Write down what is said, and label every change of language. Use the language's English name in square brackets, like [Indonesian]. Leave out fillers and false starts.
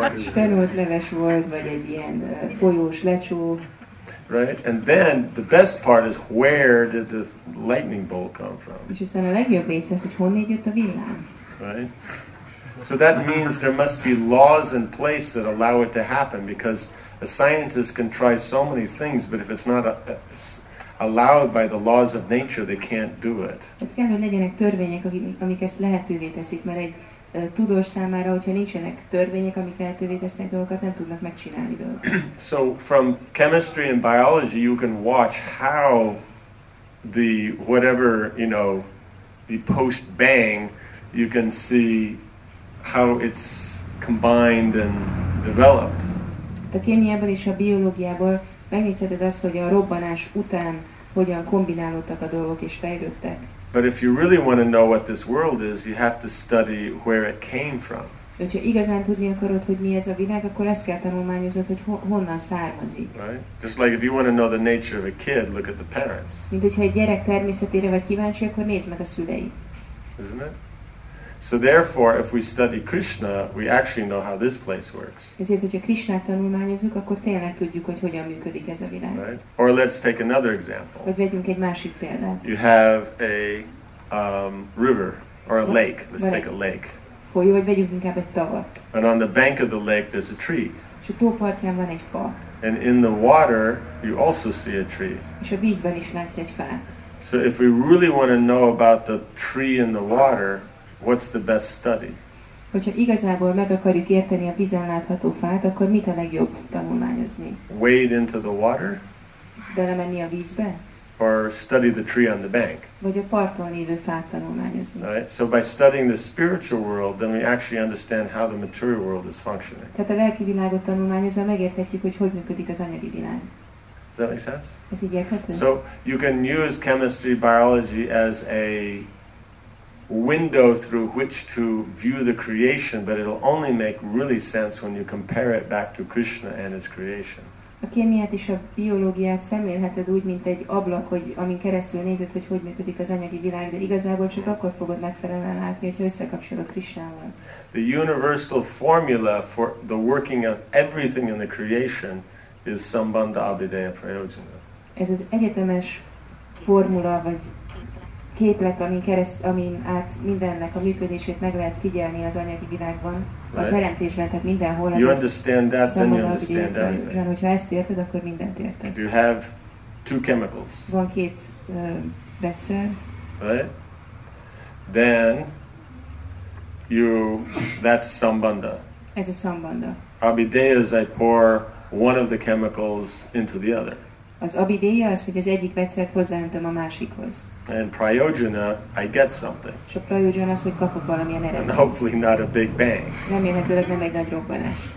[Hungarian] Fenolt leves volt, vagy egy ilyen folyós lecsó. [English] Right, and then the best part is where did the lightning bolt come from? Which is then a legio basis, which [Hungarian] honnan jött a villám. [English] Right, so that means there must be laws in place that allow it to happen, because a scientist can try so many things, but if it's not allowed by the laws of nature, they can't do it. [Hungarian] Tehát kell, hogy legyenek törvények, amik ezt lehetővé teszik, mert egy tudós számára, hogyha nincsenek törvények, amik lehetővé tesznek dolgokat, nem tudnak megcsinálni dolgokat. [English] So from chemistry and biology you can watch how the whatever, you know, the post bang, you can see how it's combined and developed. [Hungarian] A kémiából és a biológiából megnézheted azt, hogy a robbanás után hogyan kombinálódtak a dolgok és fejlődtek. [English] But if you really want to know what this world is, you have to study where it came from. [Hungarian] Hogyha igazán tudni akarod, hogy mi ez a világ, akkor ezt kell tanulmányozod, hogy honnan származik. [English] Right? Just like if you want to know the nature of a kid, look at the parents. [Hungarian] Mint hogyha egy gyerek természetére vagy kíváncsi, akkor nézd meg a szüleit. [English] Isn't it? So therefore, if we study Krishna, we actually know how this place works. [Hungarian] Ezért, hogyha Krishnát tanulmányozunk, akkor tényleg tudjuk, hogy hogyan működik ez a világ. [English] Right? Or let's take another example. [Hungarian] Vagy vegyünk egy másik példát. [English] You have a river or a lake. Let's take a lake. [Hungarian] Folyó, vagy vegyünk inkább egy tavat. [English] And on the bank of the lake, there's a tree. [Hungarian] És a tópartján van egy fa. [English] And in the water, you also see a tree. [Hungarian] És a vízben is látsz egy fát. [English] So if we really want to know about the tree in the water, what's the best study? [Hungarian] Hogyha igazából meg akarjuk érteni a vízen látható fát, akkor mit a legjobb tanulmányozni? [English] Wade into the water? [Hungarian] Belemenni a vízbe? [English] Or study the tree on the bank? [Hungarian] Vagy a parton lévő fát tanulmányozni? [English] Right? So by studying the spiritual world, then we actually understand how the material world is functioning. [Hungarian] Tehát a lelki világot tanulmányozva megérthetjük, hogy hogyan működik az anyagi világ. [English] Does that make sense? [Hungarian] Ez így érthető? [English] So you can use chemistry, biology as a window through which to view the creation, but it'll only make really sense when you compare it back to Krishna and his creation. [Hungarian] A kémiát és a biológiát szemlélheted úgy, mint egy ablak, hogy amin keresztül nézed, hogy hogyan működik az anyagi világ, de igazából csak akkor fogod megfelelően látni, hogyha összekapcsolod Krishnával. [English] The universal formula for the working of everything in the creation is Sambandha Abhideya Prayojana. [Hungarian] Ez az egyetemes formula vagy képlet, amin át mindennek a működését meg lehet figyelni az anyagi világban, a teremtésben, tehát mindenhol. [English] You understand that, then you understand everything. [Hungarian] Hogyha ezt érted, akkor mindent érted. [English] You have two chemicals. [Hungarian] Van két vegyszer. [English] Right? Then you, that's sambandha. [Hungarian] Ez a sambandha. [English] Abhideya is I pour one of the chemicals into the other. [Hungarian] Az abhideya az, hogy az egyik vegyszert hozzáöntöm a másikhoz. [English] And prayojana, I get something. [Hungarian] És a prayojana az, hogy kapok valamilyen eredményt. [English] And hopefully not a big bang. [Hungarian] Remélhetőleg nem egy nagy robbanás.